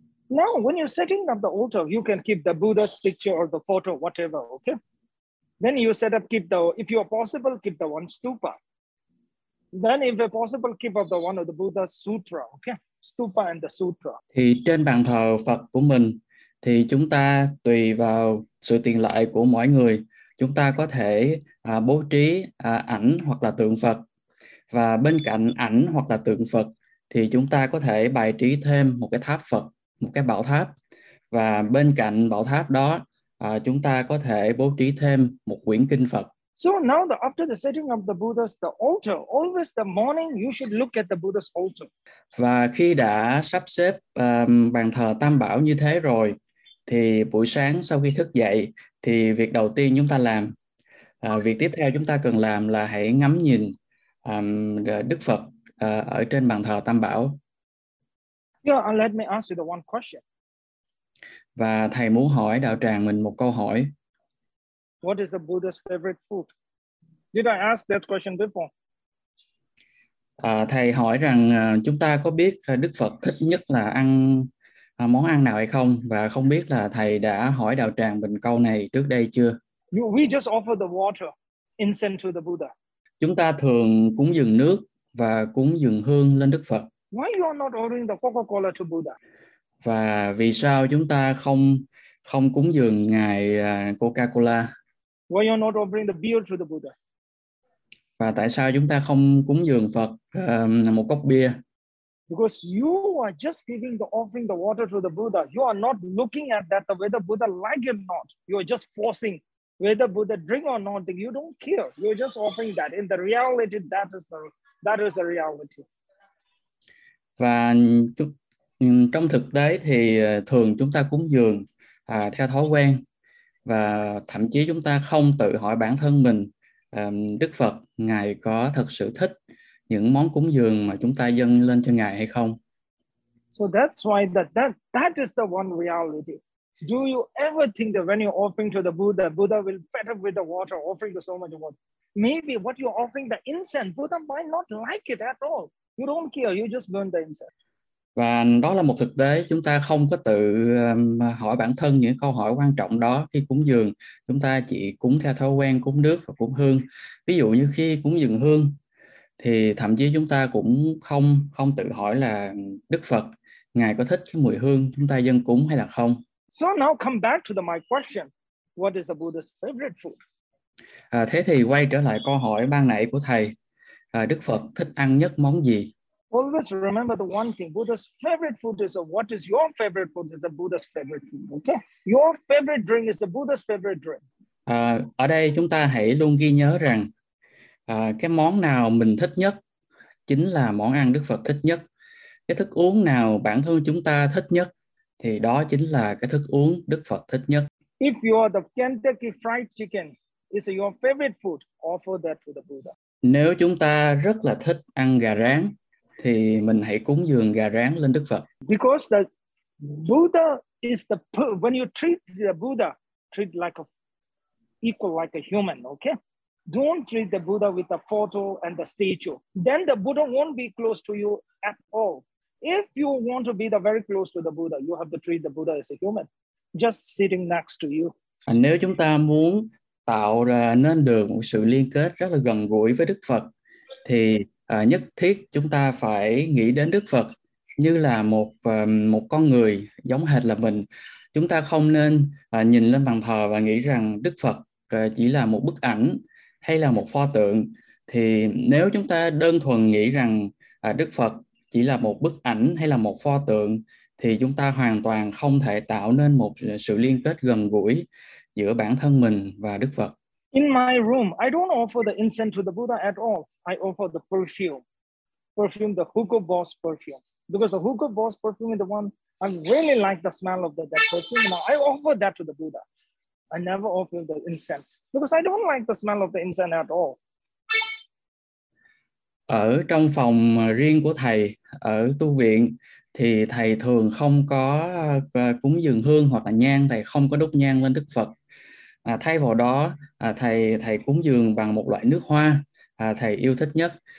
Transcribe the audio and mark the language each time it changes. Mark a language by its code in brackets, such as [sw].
[en] Now, when you're setting up the altar, you can keep the Buddha's picture or the photo, whatever, okay? Then you set up, keep the, if you are possible, keep the one stupa. Then if possible, keep up the one of the Buddha's sutra, okay? Stupa and the sutra. [vi] Thì trên bàn thờ Phật của mình, thì chúng ta tùy vào sự tiện lợi của mỗi người, chúng ta có thể bố trí ảnh hoặc là tượng Phật. Và bên cạnh ảnh hoặc là tượng Phật, thì chúng ta có thể bài trí thêm một cái tháp Phật, một cái bảo tháp. Và bên cạnh bảo tháp đó, chúng ta có thể bố trí thêm một quyển kinh Phật. [en] So now the, after the setting of the Buddha's the altar, always the morning you should look at the Buddha's altar. [vi] Và khi đã sắp xếp bàn thờ Tam Bảo như thế rồi, Thì buổi sáng sau khi thức dậy thì việc đầu tiên chúng ta làm, việc tiếp theo chúng ta cần làm là hãy ngắm nhìn Đức Phật ở trên bàn thờ Tam Bảo. [en] Let me ask you the one question. [vi] Và thầy muốn hỏi đạo tràng mình một câu hỏi. [en] What is the Buddha's favorite food? Did I ask that question before? [vi] Thầy hỏi rằng chúng ta có biết Đức Phật thích nhất là ăn món ăn nào hay không, và không biết là thầy đã hỏi đạo tràng mình câu này trước đây chưa. [en] We just offer the water, incense to the Buddha. [vi] Chúng ta thường cúng dường nước và cúng dường hương lên Đức Phật. [en] Why you are not ordering the Coca-Cola to Buddha? [vi] Và vì sao chúng ta không không cúng dường ngài Coca-Cola? [en] Why you are not offering the beer to the Buddha? [vi] Và tại sao chúng ta không cúng dường Phật một cốc bia? [en] Because you are just giving the offering the water to the Buddha. You are not looking at that whether Buddha like it or not. You are just forcing whether Buddha drink or not. You don't care. You are just offering that. In the reality, that is the reality. [vi] Và trong thực tế thì thường chúng ta cúng dường theo thói quen, và thậm chí chúng ta không tự hỏi bản thân mình, Đức Phật ngài có thật sự thích những món cúng dường mà chúng ta dâng lên cho ngài hay không? [en] So that's why that is the one reality. Do you ever think that when you're offering to the Buddha, Buddha will better with the water, offering to so much water? Maybe what you're offering, the incense, Buddha might not like it at all. You don't care, you just burn the incense. [vi] Và đó là một thực tế, chúng ta không có tự hỏi bản thân những câu hỏi quan trọng đó khi cúng dường. Chúng ta chỉ cúng theo thói quen cúng nước và cúng hương. Ví dụ như khi cúng dường hương thì thậm chí chúng ta cũng không không tự hỏi là Đức Phật ngài có thích cái mùi hương chúng ta dâng cúng hay là không. [en] So now come back to my question. What is the Buddha's favorite food? [vi] Thế thì quay trở lại câu hỏi ban nãy của thầy, Đức Phật thích ăn nhất món gì? [en] Always remember the one thing. Buddha's favorite food is what is your favorite food is the Buddha's favorite food. Okay? Your favorite drink is the Buddha's favorite drink. [vi] Ở đây chúng ta hãy luôn ghi nhớ rằng cái món nào mình thích nhất chính là món ăn Đức Phật thích nhất. Cái thức uống nào bản thân chúng ta thích nhất thì đó chính là cái thức uống Đức Phật thích nhất. [en] If you are the Kentucky Fried Chicken, is your favorite food, offer that to the Buddha. [vi] Nếu chúng ta rất là thích ăn gà rán thì mình hãy cúng dường gà rán lên Đức Phật. [en] Because the Buddha is the when you treat the Buddha, treat like a equal like a human, okay? Don't treat the Buddha with the photo and the statue. Then the Buddha won't be close to you at all. If you want to be the very close to the Buddha, you have to treat the Buddha as a human, just sitting next to you. [vi] Nếu chúng ta muốn tạo ra nên được một sự liên kết rất là gần gũi với Đức Phật thì nhất thiết chúng ta phải nghĩ đến Đức Phật như là một một con người giống hệt là mình. Chúng ta không nên nhìn lên bàn thờ và nghĩ rằng Đức Phật chỉ là một bức ảnh hay là một pho tượng. Thì nếu chúng ta đơn thuần nghĩ rằng Đức Phật chỉ là một bức ảnh hay là một pho tượng thì chúng ta hoàn toàn không thể tạo nên một sự liên kết gần gũi giữa bản thân mình và Đức Phật. [en] In my room, I don't offer the incense to the Buddha at all. I offer the perfume, the Hugo Boss perfume. Because the Hugo Boss perfume is the one, I really like the smell of that perfume. Now, I offer that to the Buddha. I never offer the incense because I don't like the smell of the incense at all. [vi] Ở trong phòng riêng của thầy ở tu viện thì thầy thường không có cúng dường hương hoặc là nhang, thầy không có đốt nhang lên Đức Phật. Thay vào đó, thầy thầy cúng dường bằng một loại nước hoa thầy yêu thích nhất.